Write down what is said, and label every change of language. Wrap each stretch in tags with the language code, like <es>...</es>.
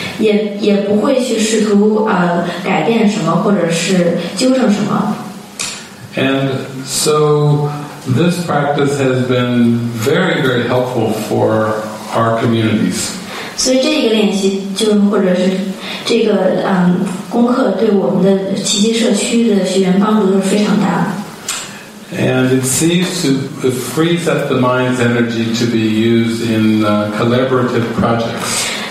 <zh>也不会去试图改变什么或者是纠正什么。</zh> <en>And so this practice has been very, very helpful for our communities.</en> <zh>所以这个练习就或者是这个功课对我们的奇迹社区的学员帮助都是非常大。</zh> <en>And it seems to freeze up the mind's energy to be used in collaborative projects.</en>